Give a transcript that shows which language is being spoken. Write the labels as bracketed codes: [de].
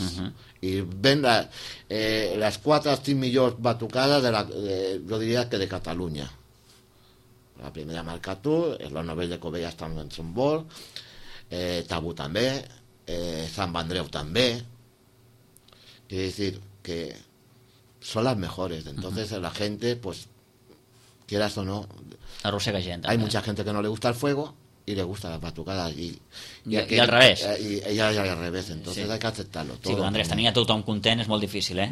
[ca] Uh-huh. I ven les 4 o 5 millors batucades jo diria que de Catalunya. La primera marcatú, la novel·la de Covellas també en són bo, Tabú també, Sant Andreu també. [es] Quiere decir que son las mejores. Entonces, uh-huh. la gente, pues, quieras o no... [ca] Arrossega gent. [es] Hay mucha gente que no le gusta el fuego y le gusta las batucadas. [ca] I al revés. [es] Y al revés. Entonces, sí. Hay que aceptarlo. Todo sí, [ca] però, Andrés, tenir a tothom content és molt difícil, eh?